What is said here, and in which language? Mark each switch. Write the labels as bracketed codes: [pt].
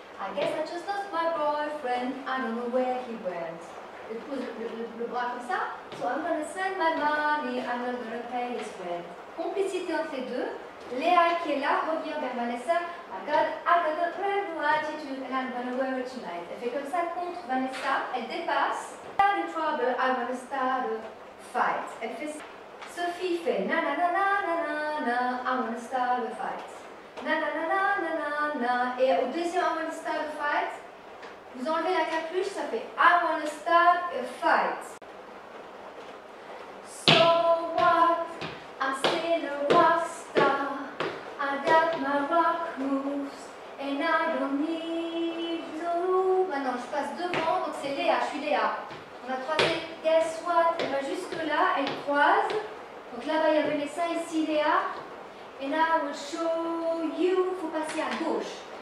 [en] I guess I just lost my boyfriend. I don't know where he went. [fr] Elle pose le bras comme ça. [en] So I'm gonna send my money. I'm not gonna pay his rent. [fr] Complicité entre les deux. Léa qui est là revient vers Vanessa. [en] I got a terrible attitude and I'm gonna wear it tonight. [fr] Elle fait comme ça contre Vanessa. Elle dépasse. [en] I'm in trouble. I'm gonna start a fight. [fr] Elle fait ça. Sophie fait [en] na na na na na na na. I'm gonna start a fight. Na na na na na na na. [fr] Et au deuxième [en] I'm gonna start a fight, [fr] vous enlevez la capuche, ça fait [en] I wanna start a fight. So what? I'm still a rock star. I got my rock moves and I don't need you. [fr] Maintenant je passe devant, donc c'est Léa, je suis Léa. On a croisé, [en] guess what? [fr] Elle va jusque là, elle croise. Donc là bas il y a Vanessa, ici Léa. [en] And I will show you, [fr] faut passer à gauche.